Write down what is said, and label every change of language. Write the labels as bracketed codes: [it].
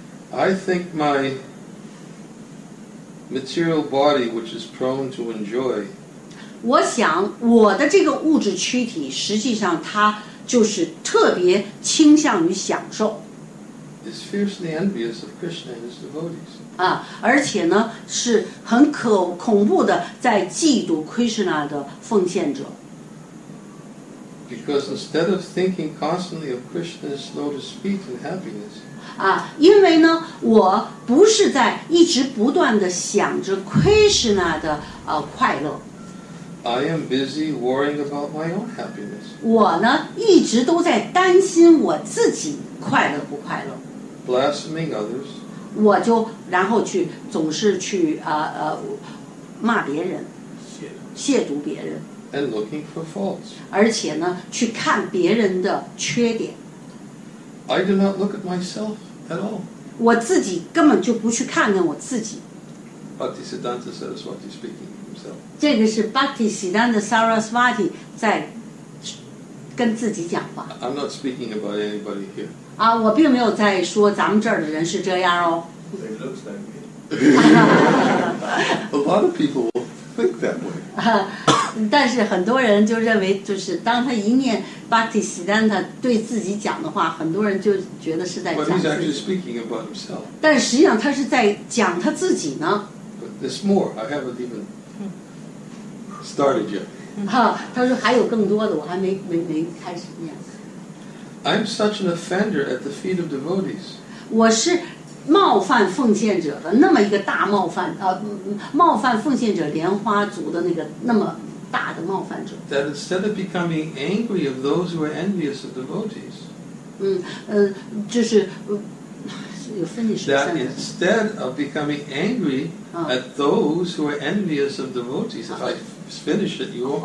[en] I think my material body, which is prone to enjoy, [zh] 我想我的这个物质躯体实际上它就是特别倾向于享受。 [en] Is fiercely envious of Krishna and his devotees. [zh] 啊，而且呢，是很恐怖的，在嫉妒 Krishna 的奉献者。 [en] Because instead of thinking constantly of Krishna's lotus feet and happiness. [zh] 啊，因为呢，我不是在一直不断的想着 Krishna 的快乐。 [en] I am busy worrying about my own happiness. [zh] 我呢，一直都在担心我自己快乐不快乐。 [en] Blaspheming others. [zh] 我就然后去总是去骂别人，亵渎别人。 [en] And looking for faults. [zh] 而且呢，去看别人的缺点。 [en] I do not look at myself at all. [zh] 我自己根本就不去看看我自己。 [en] Bhaktisiddhanta Saraswati speaking himself. [zh] 这个是 Bhaktisiddhanta Saraswati 在跟自己讲话。 [en] I'm not speaking about anybody here. [zh] 啊，我并没有在说咱们这儿的人是这样哦。 [en] It looks like me. A lot of people will think that way. [zh] 但是很多人就认为，就是当他一念 Bhaktisiddhanta 对自己讲的话，很多人就觉得是在讲自己。 [en] But he's actually speaking about himself. [zh] 但实际上他是在讲他自己呢。 [en] But there's more. I haven't even started yet. [zh] 他说还有更多的，我还没开始念。 [en] I'm such an offender at the feet of devotees. [zh] 我是冒犯奉献者的那么一个大冒犯，冒犯奉献者莲花族的那个那么大的冒犯者。 [en] That instead of becoming angry of those who are envious of devotees. [zh] 就是有分析。 [en] That instead of becoming angry at those who are envious of devotees, if I finish it, you won't